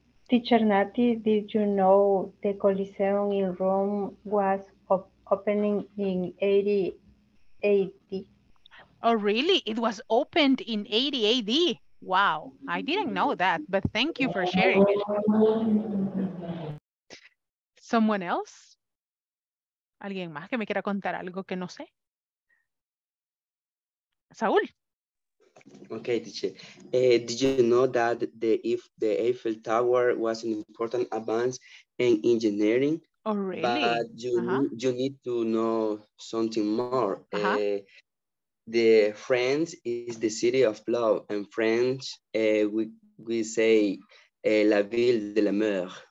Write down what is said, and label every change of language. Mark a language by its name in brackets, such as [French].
[English] Teacher Nati, did you know the Coliseum in Rome was opening in 80 AD? Oh, really? It was opened in 80 AD? Wow, I didn't know that, but thank you for sharing it. Someone else? [Spanish] ¿Alguien más que me quiera contar algo que no sé? Saúl. [English] Okay, teacher. Did you know that the Eiffel Tower was an important advance in engineering? Oh, really? But you need to know something more. Uh-huh. The France is the city of love, and French, we say [French] la ville de l'amour.